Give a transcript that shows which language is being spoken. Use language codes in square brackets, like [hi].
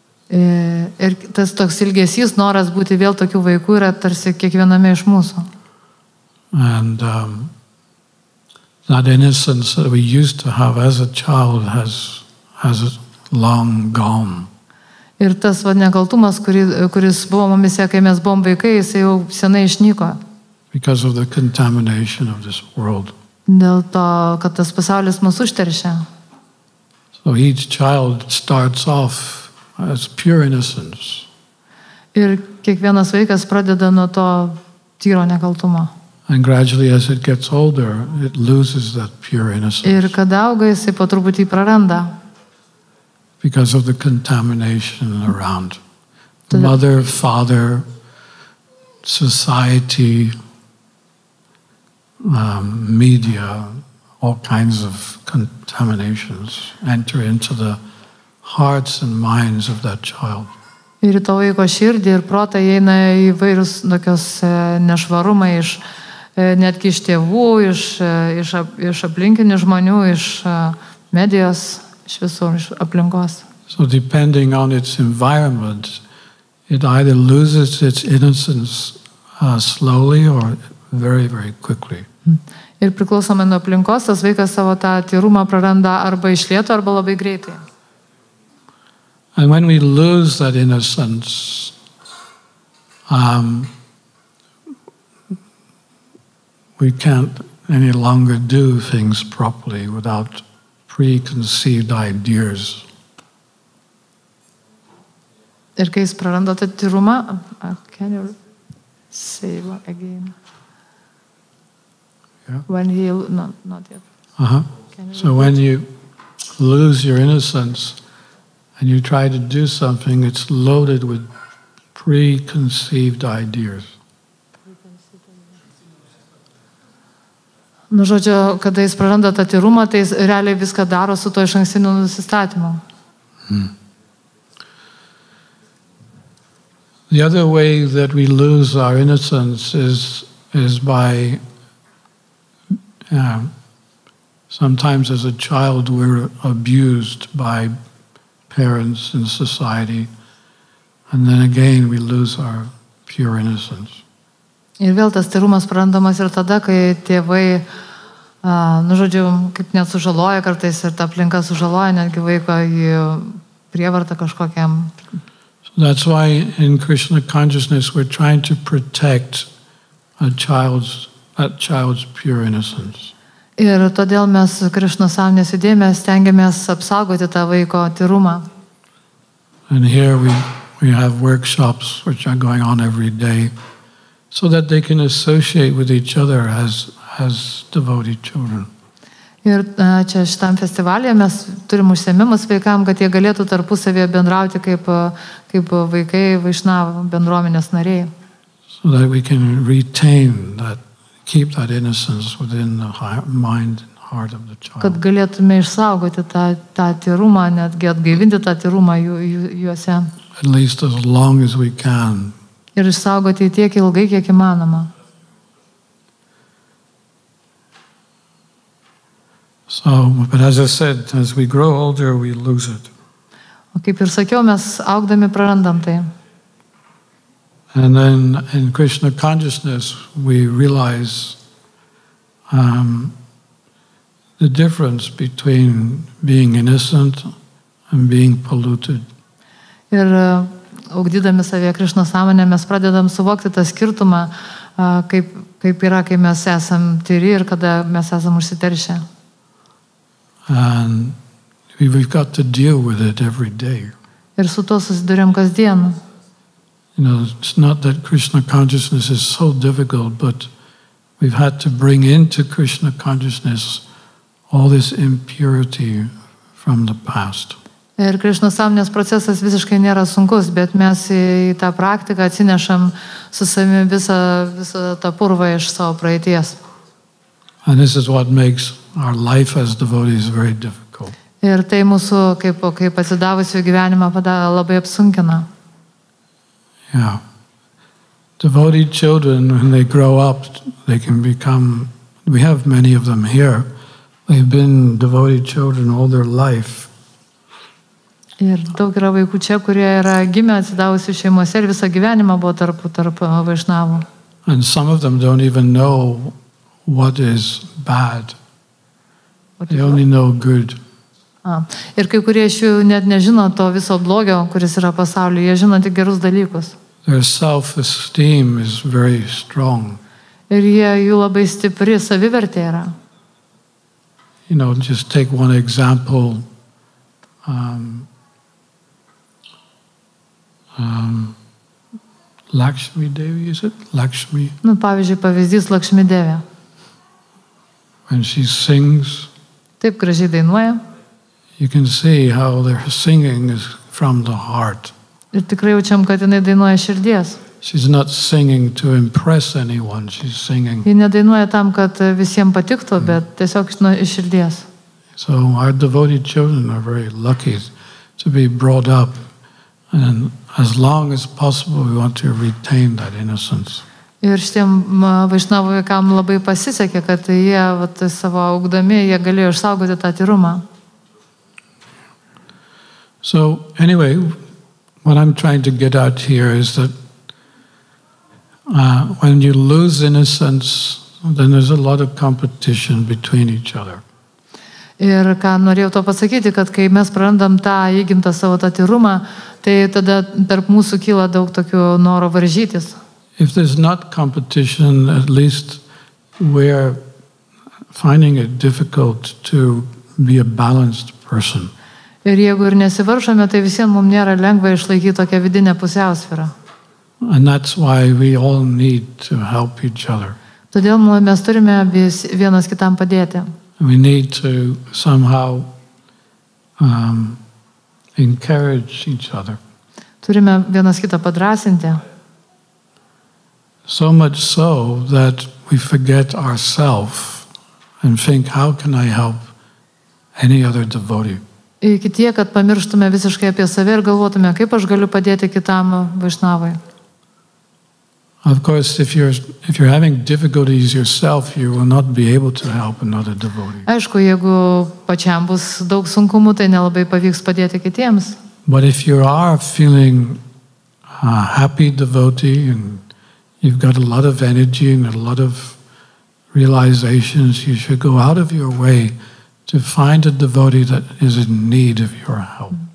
[lt] Ir tas toks ilgesys, noras būti vėl tokių vaikų yra tarsi kiekviename iš mūsų. [en] And that innocence that we used to have as a child has long gone. [lt] Ir tas va, nekaltumas, kuris buvo mumise, kai mes buvom vaikai, jis jau senai išnyko. [en] Because of the contamination of this world. [lt] Dėl to, kad tas pasaulis mus užteršė. [en] So each child starts off as pure innocence. [lt] Ir kiekvienas vaikas pradeda nuo to tyro nekaltumo. [en] And gradually as it gets older, it loses that pure innocence. [lt] Ir kada auga, jisai po truputį praranda. [en] Because of the contamination around. The mother, father, society, media, all kinds of contaminations enter into the hearts and minds of that child. [lt] Ir to vaiko širdį ir protą įeina įvairūs tokios nešvarumai iš netgi iš tėvų, iš aplinkinių žmonių, iš medijos, iš visur, iš aplinkos. [en] So depending on its environment, it either loses its innocence slowly or very, very quickly. [lt] Ir priklausomai nuo aplinkos, tas vaikas savo tą tyrumą praranda arba iš lėto, arba labai greitai. [en] And when we lose that innocence, we can't any longer do things properly without preconceived ideas. [lt] Ir kai jis praranda tą tyrumą, [en] can you say it again? Yeah. When he, not yet. Uh-huh. So when you lose your innocence and you try to do something, it's loaded with preconceived ideas. [lt] Nu, žodžiu, kada jis praranda tą tyrumą, tai jis realiai viską daro su to išankstiniu nusistatymu. [en] The other way that we lose our innocence is by sometimes as a child we're abused by parents in society and then again we lose our pure innocence. [lt] Ir vėl tas tyrumas prarandamas ir tada, kai tėvai žodžiu, kaip net sužaloja kartais ir ta aplinka sužaloja netgi vaiko į prievartą kažkokiam. [en] That's why in Krishna consciousness we're trying to protect a child's pure innocence. [lt] Ir todėl mes Krishna sąmonės įdėmės stengiamės apsaugoti tą vaiko tyrumą. [en] And here we have workshops which are going on every day so that they can associate with each other as devoted children. [lt] Ir čia šitam festivalyje mes turim užsiėmimus vaikam, kad jie galėtų tarpusavyje bendrauti kaip vaikai Vaishnava bendruomenės nariai. [en] So that we can retain that, keep that innocence within the mind and heart of the child. [lt] Kad galėtume išsaugoti tą tyrumą, netgi atgaivinti tą tyrumą juose. [en] At least as long as we can. [lt] Ir išsaugoti tiek ilgai, kiek įmanoma. [en] So, but as I said, as we grow older, we lose it. [lt] O kaip ir sakiau, mes augdami prarandam tai. [en] And then in Krishna consciousness, we realize the difference between being innocent and being polluted. [lt] Ir augdydami savyje Krishna sąmonę, mes pradedam suvokti tą skirtumą, kaip yra, kai mes esam tyri ir kada mes esam užsiteršę. [en] And we've got to deal with it every day. [lt] Ir su to susiduriam kasdien. [en] You know, it's not that Krishna consciousness is so difficult, but we've had to bring into Krishna consciousness all this impurity from the past. [lt] Ir Krishna sąmonės procesas visiškai nėra sunkus, bet mes į tą praktiką atsinešam su savimi visą tą purvą iš savo praeities. [en] And this is what makes our life as devotees is very difficult. [lt] Ir tai mūsų kaip atsidavusio gyvenimą padaro labai apsunkina. [en] Yeah. Devoted children, when they grow up, they can become, we have many of them here, they've been devoted children all their life. [lt] Ir daug yra vaikų čia, kurie yra gimę atsidavusių šeimose ir visą gyvenimą buvo tarp vaišnavų. [en] And some of them don't even know what is bad. They only know good. [lt] Ir kai kurie iš jų net nežino to viso blogio, kuris yra pasaulyje. Jie žino tik gerus dalykus. [en] Their self-esteem is very strong. [lt] Ir jų labai stipri savivertė yra. [en] You know, just take one example. Lakshmi Devi, is it? Lakshmi. [lt] Nu, pavyzdžiui, pavyzdys Lakshmi Devi. [en] When she sings. [lt] Taip gražiai dainuoja. [en] You can see how their singing is from the heart. [lt] Ir tikrai jaučiam, kad jinai dainuoja širdies. [en] She's not singing to impress anyone, she's singing. [lt] Ji nedainuoja tam, kad visiems patiktų, bet tiesiog iš širdies. [en] So our devoted children are very lucky to be brought up, and as long as possible we want to retain that innocence. [lt] Ir šitiem vaišnavų vaikam labai pasisekė, kad jie savo augdami, jie galėjo išsaugoti tą tyrumą. [en] So anyway, what I'm trying to get out here is that when you lose innocence, then there's a lot of competition between each other. [lt] Ir ką norėjau to pasakyti, kad kai mes prarandam tą įgimtą savo tą tyrumą, tai tada tarp mūsų kyla daug tokių noro varžytis. [en] If there's not competition, at least we're finding it difficult to be a balanced person. [lt] Ir jeigu ir nesivaržome, tai visiems mums nėra lengva išlaikyti tokią vidinę pusiausvyrą. [en] And that's why we all need to help each other. [lt] Todėl mes turime vienas kitam padėti. [en] We need to somehow encourage each other. [lt] Turime vienas kitą padrasinti. [en] So much so that we forget ourselves and think, how can I help any other devotee? [lt] Iki tie, kad pamirštume visiškai apie save ir galvotume, kaip aš galiu padėti kitam vaišnavai. [en] Of course, if you're having difficulties yourself, you will not be able to help another devotee. [lt] Aišku, jeigu pačiam bus daug sunkumų, tai nelabai pavyks padėti kitiems. [en] But if you are feeling a happy devotee and you've got a lot of energy and a lot of realizations, you should go out of your way to find a devotee that is in need of your help.